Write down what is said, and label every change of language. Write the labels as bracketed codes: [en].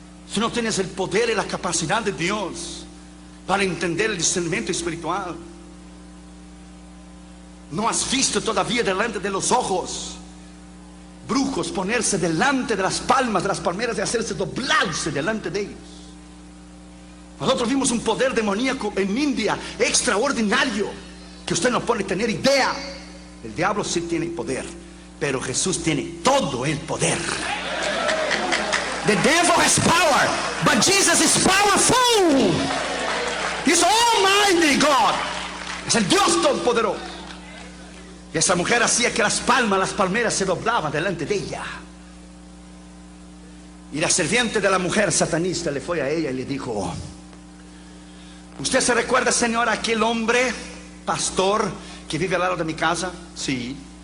[es] Si no tienes el poder y la capacidad de Dios para entender el discernimiento espiritual, no has visto todavía delante de los ojos brujos ponerse delante de las palmas, de las palmeras, y hacerse doblarse delante de ellos. Nosotros vimos un poder demoníaco en India extraordinario que usted no puede tener idea. El diablo sí tiene poder, pero Jesús tiene todo el poder. [en] The devil has power, but Jesus is powerful. He's almighty God. [es] Es el Dios todopoderoso. Y esa mujer hacía que las palmeras se doblaban delante de ella. Y la sirviente de la mujer satanista le fue a ella y le dijo: ¿usted se recuerda, señora, aquel hombre pastor que vive al lado de mi casa? Sí.